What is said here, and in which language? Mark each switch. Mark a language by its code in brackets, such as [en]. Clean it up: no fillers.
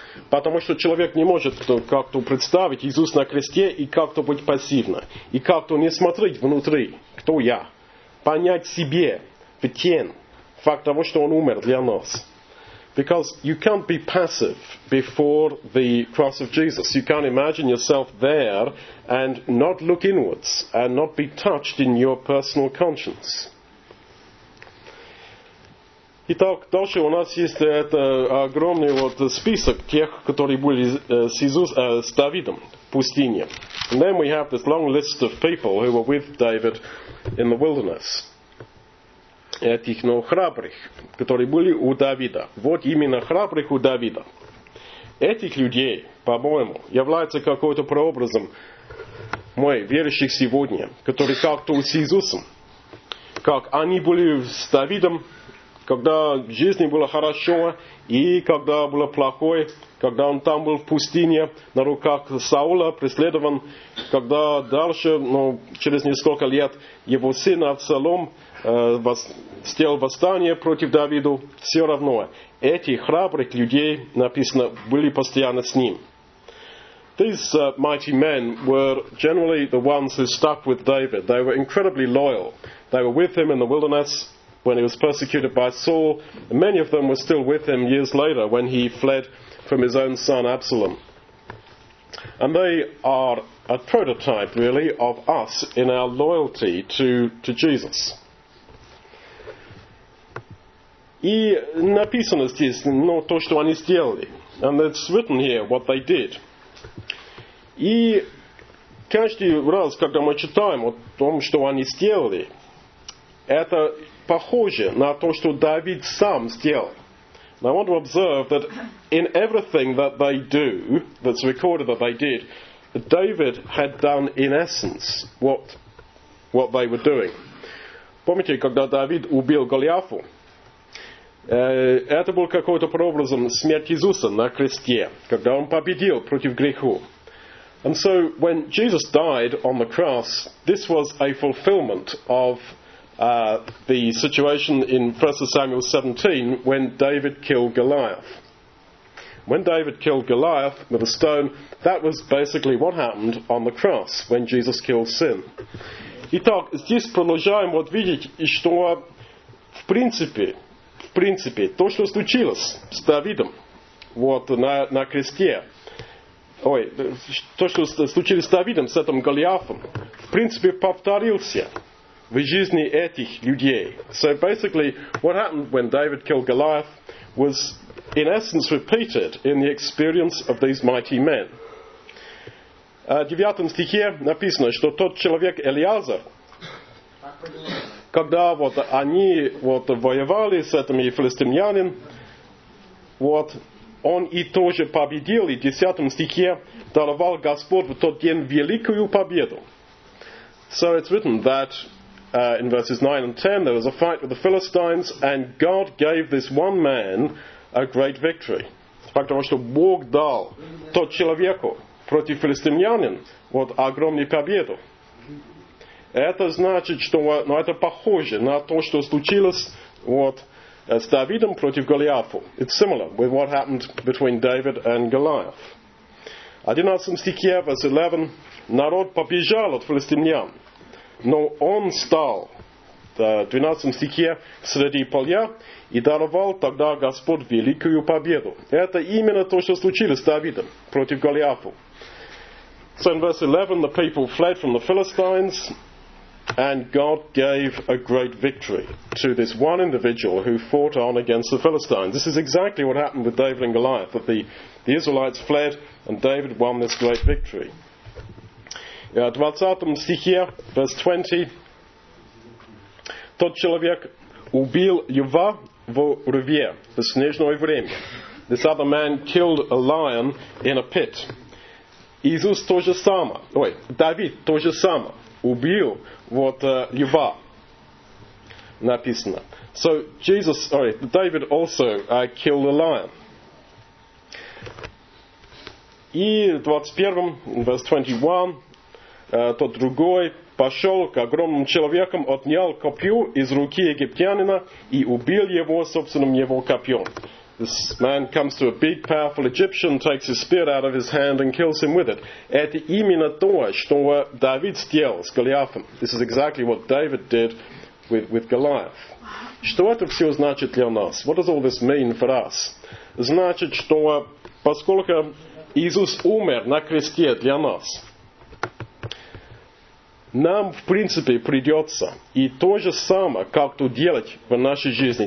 [ru] Потому что человек не может как-то представить Иисуса на кресте и как-то быть пассивно. И как-то не смотреть внутри, кто я. Понять себе в тень факт того, что он умер для нас. [en] Because you can't be passive before the cross of Jesus. You can't imagine yourself there and not look inwards and not be touched in your personal conscience. [ru] Итак, дальше у нас есть это огромный список тех, которые были с Давидом в пустыне. [en] And then we have this long list of people who were with David in the wilderness. [ru] Этих храбрых, которые были у Давида. Вот именно храбрых у Давида. этих людей, по-моему, является какой-то прообразом мы, верующих сегодня, которые как-то с Иисусом, как они были с Давидом, когда жизни было хорошо, и когда было плохое, когда он там был в пустыне, на руках Саула преследован, когда дальше, через несколько лет, его сын Авсалом сделал восстание против Давида, все равно эти храбрых людей, написано, были постоянно с ним. [en] These mighty men were generally the ones who stuck with David. They were incredibly loyal. They were with him in the wilderness when he was persecuted by Saul. And many of them were still with him years later when he fled from his own son Absalom. And they are a prototype, really, of us in our loyalty to Jesus. [ru] И написано здесь, то, что они сделали. [en] And it's written here what they did. [ru] И каждый раз, когда мы читаем о том, что они сделали, это похоже на то, что Давид сам сделал. [en] And I want to observe that in everything that they do, that's recorded that they did, David had done in essence what they were doing. [ru] Помните, когда Давид убил Голиафа? Это был какой-то прообразом смерти Иисуса на кресте, когда он победил против греха. [en] And so when Jesus died on the cross, this was a fulfillment of the situation in 1 Samuel 17 when David killed Goliath. When David killed Goliath with a stone, that was basically what happened on the cross when Jesus killed sin. [ru] Итак, здесь продолжаем вот видеть, что в принципе, то, что случилось с Давидом вот на кресте, то, что случилось с Давидом, с этим Голиафом, в принципе, повторился в жизни этих людей. [en] So basically, what happened when David killed Goliath was, in essence, repeated in the experience of these mighty men. [ru] В 9 стихе написано, что тот человек Элиазар, когда вот они вот воевали с этими филистимлянами, вот он и тоже победил, и в 10 стихе даровал Господь в тот день великую победу. [en] So it's written that in verses 9 and 10 there was a fight with the Philistines and God gave this one man a great victory. [ru] Потому что Бог дал тот человеку против филистимлянин вот огромную победу. Это значит, что это похоже на то, что случилось вот с Давидом против Голиафа. [en] It's similar with what happened between David and Goliath. [ru] 11 стихе, [en] verse 11, [ru] народ побежал от филистимлян, но он стал, в 12 стихе, среди поля, и даровал тогда Господь великую победу. Это именно то, что случилось с Давидом против Голиафа. [en] So in verse 11, the people fled from the Philistines, and God gave a great victory to this one individual who fought on against the Philistines. This is exactly what happened with David and Goliath, that the Israelites fled and David won this great victory. [ru] 20 стихе, [en] verse 20, [ru] тот человек убил льва в рве, в снежное время. [en] This other man killed a lion in a pit. [ru] Иисус тоже сама, Давид тоже сама. Убил вот льва, написано. [en] So Jesus, David also killed a lion. [ru] И в 21, [en] verse 21, [ru] тот другой пошел к огромным человекам, отнял копье из руки египтянина и убил его собственным его копьем. [en] This man comes to a big, powerful Egyptian, takes his spear out of his hand and kills him with it. [ru] Это именно то, что Давид сделал с Голиафом. [en] This is exactly what David did with Goliath. [ru] Что это все значит для нас? [en] What does all this mean for us? [ru] Значит, что поскольку Иисус умер на кресте для нас, нам, в принципе, придется и то же самое как-то делать в нашей жизни.